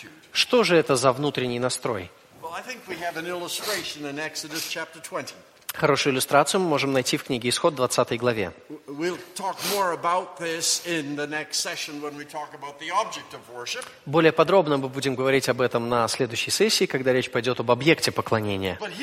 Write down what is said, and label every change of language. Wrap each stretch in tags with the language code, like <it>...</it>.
<ru>Что же это за внутренний настрой?</ru> <en>Well, I think we have an illustration in Exodus chapter 20.</en> <ru>Хорошую иллюстрацию мы можем найти в книге Исход, 20 главе. Более подробно мы будем говорить об этом на следующей сессии, когда речь пойдет об объекте поклонения.</ru>